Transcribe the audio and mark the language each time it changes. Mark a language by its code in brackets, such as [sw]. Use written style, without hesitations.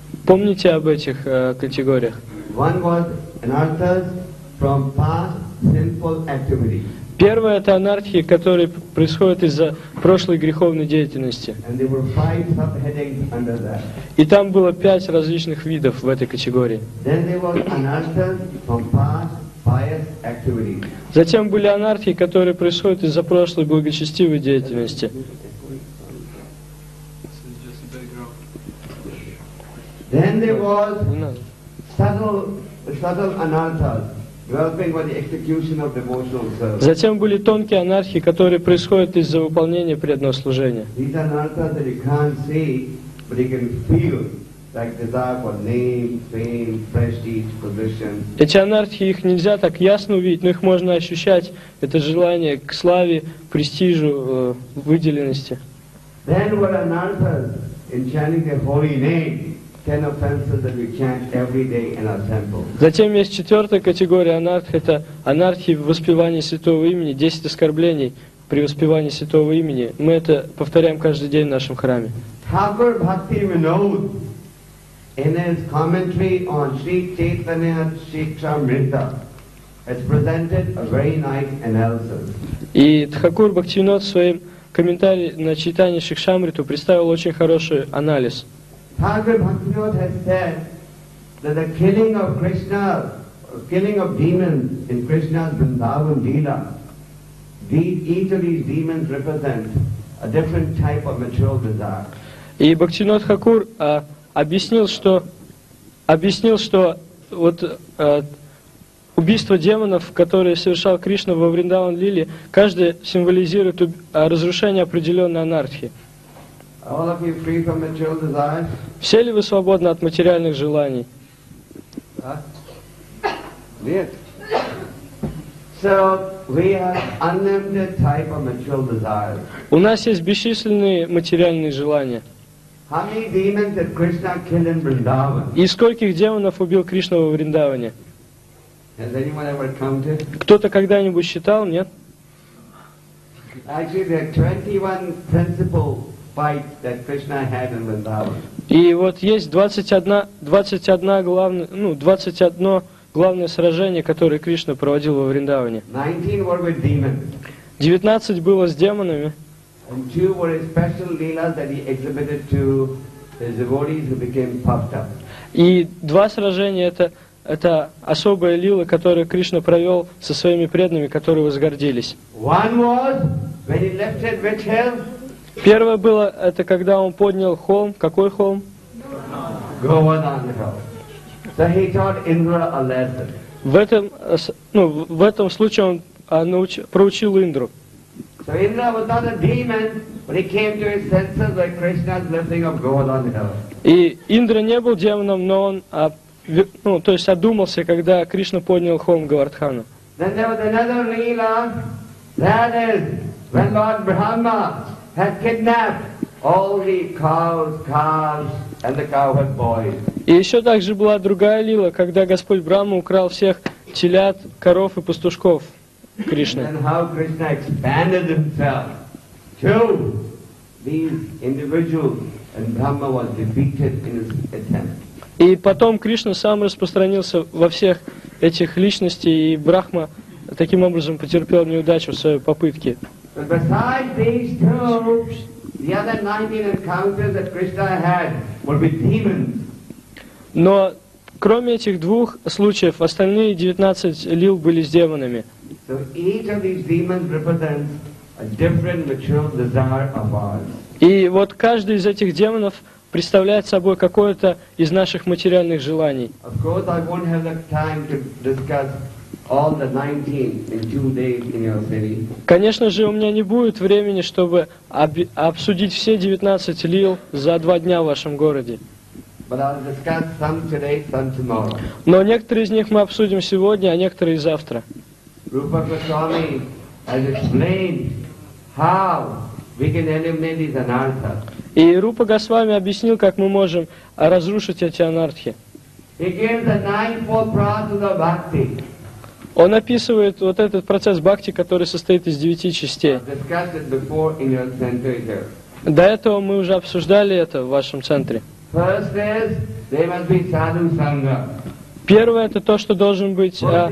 [ru] Помните об этих категориях? [en] One was anarthas from past sinful activity. [ru] Первое это анартхи, которые происходят из-за прошлой греховной деятельности. [en] And there were five subheadings under that. [ru] И там было 5 различных видов в этой категории. [en] Then there was anarthas from past pious activity. [ru] Затем были анартхи, которые происходят из-за прошлой благочестивой деятельности. [en] Then there was subtle anarthas developing by the execution of devotional service. [ru] Затем были тонкие анархи, которые происходят из-за выполнения преданного служения. [en] These anarthas that you can't see, but you can feel. Like desire for name, fame, prestige, position. [ru] Эти анартхи, их нельзя так ясно увидеть, но их можно ощущать, это желание к славе, престижу, выделенности. [en] Then what anarthas in chanting the holy name, 10 offenses that we chant every day in our temple. [ru] Затем есть 4 категория анартх, это анартхи в воспевании святого имени, 10 оскорблений преуспевание святого имени. Мы это повторяем каждый день в нашем храме. [en] Thakur Bhakti Vinod, in his commentary on Sri Chaitanya Charitamrita, has presented a very nice analysis. [ru] И Thakur Bhakti Vinod в своем комментарии на Чайтанья Шикшамриту представил очень хороший анализ. [en] Thakur Bhakti Vinod has said that the killing of Krishna, killing of demons in Krishna's Vrindavan Leela, each of these demons represent a different type of material desire. [ru] И Бхактивинод Хакур объяснил, что вот убийство демонов, которые совершал Кришна во Вриндаван Лиле, каждый символизирует разрушение определенной анархии. [en] All of you free from material desires? [ru] Все ли вы свободны от материальных желаний? Нет. [en] So we have unlimited type of material desires. [ru] У нас есть бесчисленные материальные желания. [en] How many demons did Krishna kill in Vrindavan? [ru] И скольких демонов убил Кришна во Вриндаване? [en] Has anyone ever counted? [ru] Кто-то когда-нибудь считал, нет? [en] Actually, there are 21 principal fights that Krishna had in Vrindavan. [ru] И вот есть 21 главное сражение, которое Кришна проводил во Вриндаване. [en] 19 were with demons. [ru] 19 было с демонами. [en] And two were his special leelas that he exhibited to his devotees who became puffed up. [ru] И два сражения это особая лила, которую Кришна провел со своими преданными, которые возгордились. [en] One was when he lifted which hill? [ru] Первое было это когда он поднял холм. Какой холм? [en] Govardhan hill. So he taught Indra a lesson. [ru] В этом случае он проучил Индру. [en] So Indra was not a demon, but he came to his senses like Krishna's lifting of Govardhan Hill. [ru] И Индра не был демоном, но он, одумался, когда Кришна поднял холм Говардхану. [en] Then there was another leela, that is when Lord Brahma had kidnapped all the cows, calves, and the cowherd boys. [ru] И еще также была другая лила, когда Господь Брахма украл всех телят, коров и пастушков. Кришна. [en] And how Krishna expanded himself to these individuals, and Brahma was defeated in his attempt. [ru] И потом Кришна сам распространился во всех этих личностях, и Брахма таким образом потерпел неудачу в своей попытке. [en] But besides these two, the other 19 encounters that Krishna had would be demons. [ru] Но кроме этих двух случаев, остальные 19 лил были с демонами. [en] So each of these demons represents a different material desire of ours. [ru] И вот каждый из этих демонов представляет собой какое-то из наших материальных желаний. [en] Of course, I won't have the time to discuss all the 19 in 2 days in your city. [ru] Конечно же, у меня не будет времени, чтобы обсудить все 19 лил за 2 дня в вашем городе. [en] But I'll discuss some today, some tomorrow. [ru] Но некоторые из них мы обсудим сегодня, а некоторые завтра. [en] Rupa Goswami has explained how we can eliminate these anarthas. [ru] И Рупа Госвами объяснил, как мы можем разрушить эти анархи. [en] He gives the ninefold process of bhakti. [ru] Он описывает вот этот процесс бхакти, который состоит из 9 частей. [en] I've discussed it before in your center here. [ru] До этого мы уже обсуждали это в вашем центре. [en] First is there must be sadhu sangha. [ru] Первое это то, что должен быть.